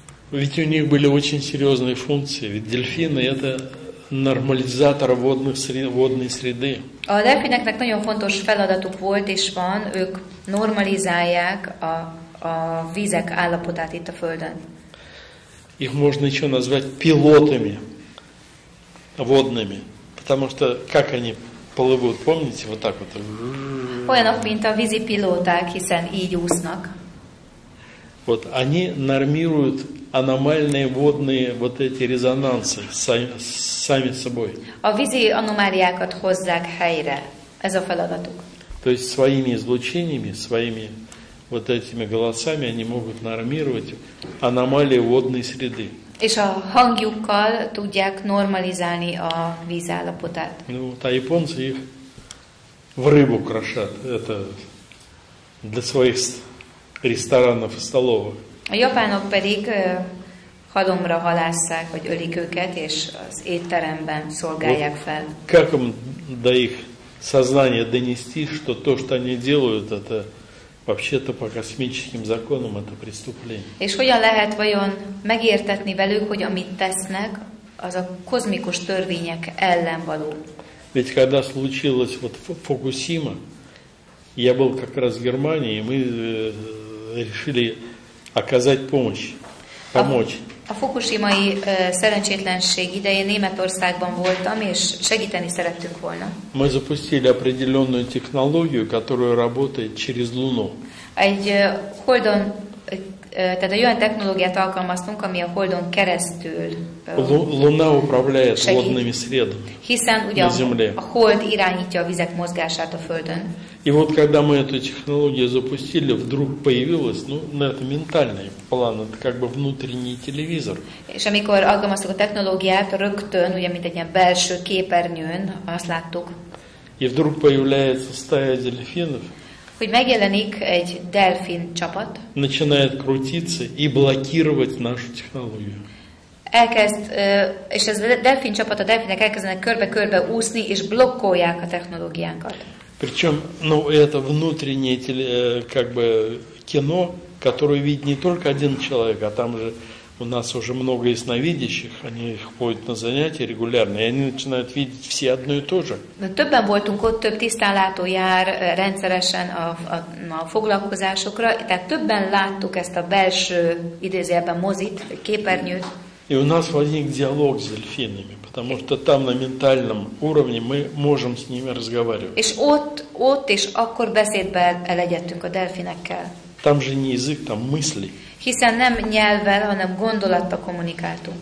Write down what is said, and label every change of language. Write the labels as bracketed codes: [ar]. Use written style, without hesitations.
[ru] Ведь у них были очень серьезные функции, ведь дельфины это нормализатор водной среды. [hu] A delfineknek nagyon fontos feladatuk volt és van, ők normalizálják a vizek állapotát itt a Földön. [ru] Их можно еще назвать пилотами водными, потому что как они плывут, помните, вот так вот. [hu] Olyanok, mint a vízi pilóták, hiszen így úsznak. [ru] Вот они нормируют аномальные водные вот эти резонансы сами собой. [hu] A vízi anomáliákat hozzák helyre. Ez a feladatuk. [ru] То есть своими излучениями, своими вот этими голосами они могут нормировать аномалии водной среды. [hu] És a hangjukkal tudják normalizálni a vízállapotát. [ru] Ну, вот, а японцы их в рыбу крошат. Это для своих ресторанов и столовых. [hu] A japánok pedig halomra halásszák, vagy ölik őket, és az étteremben szolgálják fel. [ru] Как им до их сознания донести, что то, что они делают, это вообще-то по космическим законам это преступление? [hu] És hogyan lehet vajon megértetni velük, hogy amit tesznek, az a kozmikus törvények ellen való? [ru] Ведь когда случилось вот Фукусима, я был как раз в Германии, и мы решили оказать помочь. [hu] A fukushimai szerencsétlenség idején Németországban voltam, és segíteni szerettünk volna. [ru] Мы запустили определенную технологию, которая работает через Луну. [hu] Egy holdon, tehát egy olyan технологиát alkalmaztunk, ami a holdon keresztül [ru] Луна управляет водными средами. [hu] Hiszen ugye на Земле. A hold irányítja a vizek mozgását a Földön. [ru] И вот когда мы эту технологию запустили, вдруг появилось, ну, на это ментальный план, это как бы внутренний телевизор. [hu] És amikor alkalmaztuk a technológiát, rögtön, ugye, mint egy ilyen belső képernyőn, azt láttuk. [ru] И вдруг появляется стая дельфинов. [hu] Hogy megjelenik egy delfin csapat. [ru] Начинает крутиться и блокировать нашу технологию. [hu] Elkezd, és ez a delfin csapat, a delfinek elkezdenek körbe-körbe úszni, és blokkolják a technológiánkat. [ru] Причем, ну, это внутреннее теле, как бы кино, которое видит не только один человек, а там же у нас уже много ясновидящих, они ходят на занятия регулярно, и они начинают видеть все одно и то же. [hu] Többen voltunk ott, több tisztánlátó jár rendszeresen a foglalkozásokra, tehát többen láttuk ezt a belső, idézőjelben mozit, képernyőt. [ru] И у нас возник диалог с дельфинами, потому что там на ментальном уровне мы можем с ними разговаривать. [hu] És ott és akkor beszédbe elegyedtünk a delfinekkel. [ru] Там же не язык, там мысли. [hu] Hiszen nem nyelvvel, hanem gondolattal kommunikáltunk.